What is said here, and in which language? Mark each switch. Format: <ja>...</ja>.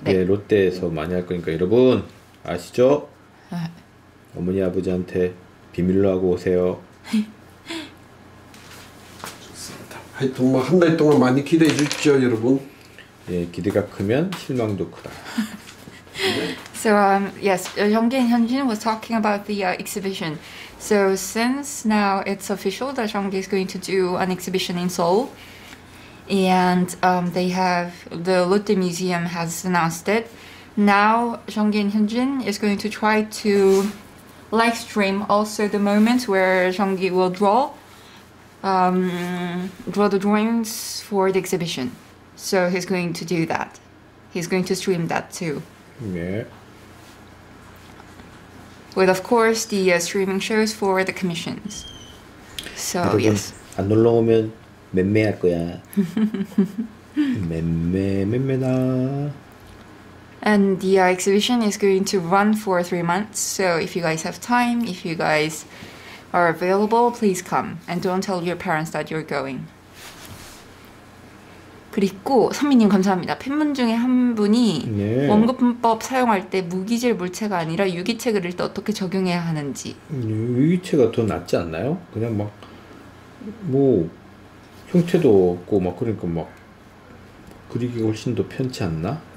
<ko>네 예, 롯데에서 많이 할 거니까 여러분 아시죠? 어머니 아버지한테 비밀로 하고 오세요. 좋습니다. 하여튼 뭐 한 달 동안 많이 기대해 주십시오 여러분. 예 기대가 크면 실망도 크다. 네.</ko> <en>So yes, 정기인 현진 was talking about the exhibition. So since now it's official that 정기 is going to do an exhibition in Seoul. And they have the Lotte Museum has announced it. Now, Jeonggi Hyunjin is going to try to live stream also the moment where Jeonggi will draw the drawings for the exhibition. So he's going to do that. He's going to stream that too. Yeah. With of course the streaming shows for the commissions. So yes.</en> <ko>안 놀러 오면. 맴매할 거야. 맴매 맴매다.</ko> <en>And the exhibition is going to run for 3 months. So if you guys have time, if you guys are available, please come. And don't tell your parents that you're going.</en> <ko>그리고 선미님 감사합니다. 팬분 중에 한 분이 네. 원근법 사용할 때 무기질 물체가 아니라 유기체 그릴 때 어떻게 적용해야 하는지. 유기체가 더 낫지 않나요? 그냥 막 뭐. 형체도 없고 막 그러니까 막 그리기 훨씬 더 편치 않나?</ko>